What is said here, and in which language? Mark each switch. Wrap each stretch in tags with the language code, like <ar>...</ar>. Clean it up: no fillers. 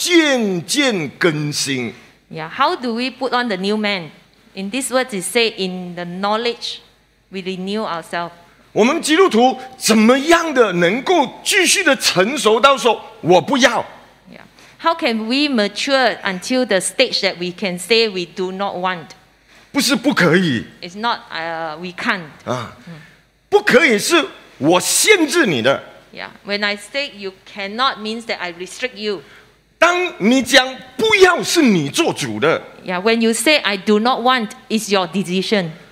<zh>他说怎样穿上呢？我们这个新人呢，在知识上渐渐更新。</zh> <en>Yeah, how do we put on the new man? In this word, it say in the knowledge, we renew ourselves.</en> <zh>我们基督徒怎么样的能够继续的成熟到说我不要？</zh> <en>Yeah, how can we mature until the stage that we can say we do not want?</en> <zh>不是不可以。</zh> <en>It's not we can't.</en> <zh>不可以是我限制你的。</zh> <en>Yeah, when I say you cannot means that I restrict you.</en> <zh>当你讲不要，是你做主的。</zh> <en>Yeah, when you say I do not want, it's your decision.</en>